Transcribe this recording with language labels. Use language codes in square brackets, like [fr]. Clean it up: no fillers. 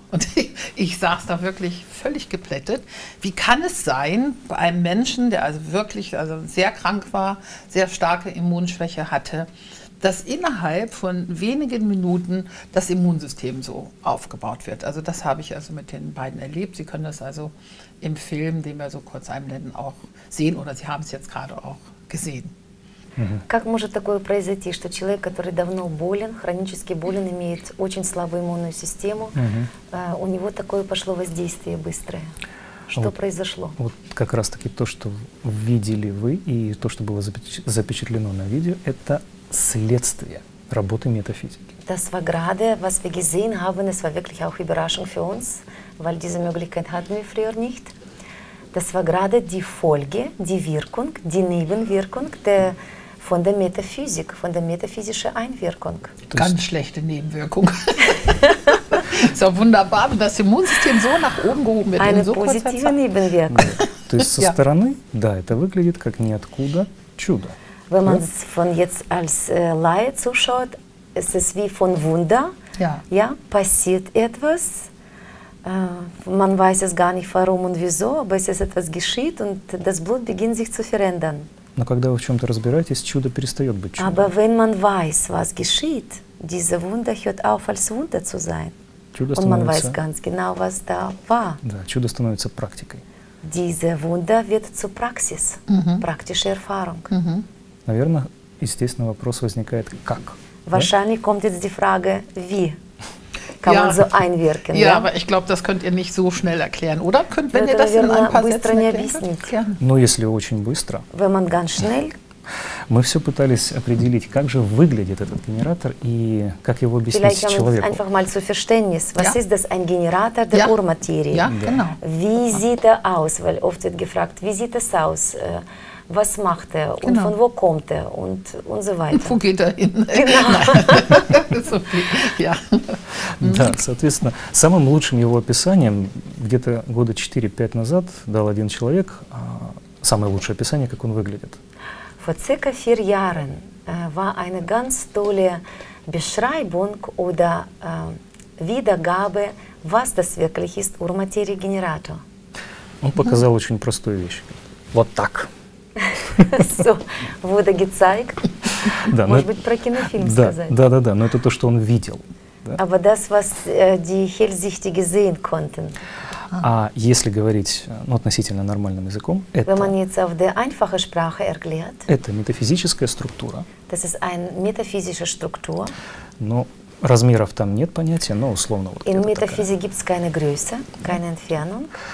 [de] Und ich saß da wirklich völlig geplättet. Wie kann es sein, bei einem Menschen, der also wirklich also sehr krank war, sehr starke Immunschwäche hatte, dass innerhalb von wenigen Minuten das Immunsystem so aufgebaut wird. Also das habe ich also mit den beiden erlebt. Sie können das also im Film, den wir so kurz einblenden, auch sehen oder Sie haben es jetzt gerade auch gesehen. [ru] Как может такое произойти, что человек, который давно болен, хронически болен, имеет очень слабую иммунную систему, у него такое пошло воздействие быстрое? Что вот, произошло? Вот как раз таки то, что видели вы и то, что было запечатлено на видео, это следствие работы метафизики. [de] Das war gerade, was wir gesehen haben, es war wirklich auch Überraschung für uns, weil diese Möglichkeit hatten wir früher nicht. Das war gerade die Folge, die Wirkung, die Nebenwirkung der, von der Metaphysik, von der metaphysischen Einwirkung. Das ganz schlechte Nebenwirkung. Ist ja wunderbar, dass das Immunsystem so nach oben gehoben wird. Eine so positive Nebenwirkung. [ru] То есть со стороны, да, это выглядит как ниоткуда чудо. [de] Wenn man es von jetzt als Laie zuschaut, ist es wie von Wunder. Ja. Ja, passiert etwas. Man weiß es gar nicht, warum und wieso, aber es ist etwas geschieht und das Blut beginnt sich zu verändern. [ru] Но когда вы в чем-то разбираетесь, чудо перестает быть чудом. [de] Aber wenn man weiß, was geschieht, diese Wunder hört auf, als Wunder zu sein. [ru] Чудо [de] und man weiß ganz genau, was da war. [ru] Да, чудо становится практикой. [de] Diese Wunder wird zur Praxis, praktische Erfahrung. [ru] Наверное, естественно, вопрос возникает, как? [de] Wahrscheinlich kommt jetzt die Frage, wie? kann man so einwirken. Ja, aber ich glaube, das könnt ihr nicht so schnell erklären, oder? Könnt, wenn ihr das in ein paar Sätzen erklären könnt? [ru] Ну, если очень быстро. [de] Wenn man ganz schnell. [ru] Мы все пытались определить, как же выглядит этот генератор и как его объяснить человеку. [de] Einfach mal zu Verständnis. Was ist das, ein Generator der Urmaterie? Ja, genau. Wie sieht er aus? Weil oft wird gefragt, wie sieht es aus? Was macht er? Genau. Und von wo kommt er? Und so weiter. Wo geht er hin? Genau. Ja. [ru] Да, соответственно, самым лучшим его описанием где-то года 4-5 назад дал один человек самое лучшее описание, как он выглядит. [de] Vor circa 4 Jahren war eine ganz tolle Beschreibung oder Wiedergabe, was das wirklich ist, Urmaterie-Generator. [ru] Он показал очень простую вещь. Вот так. [de] So wurde gezeigt. [ru] Да, может быть, про кинофильм сказать. Да, да, да, но это то, что он видел. Да. [de] Aber das, was die Hellsichtige sehen konnten. [ru] А если говорить ну, относительно нормальным языком, это метафизическая структура. [de] Das ist ein metaphysische Struktur. [ru] Но размеров там нет понятия, но условно вот [de] in Metaphysik gibt's keine Größe, keine Entfernung,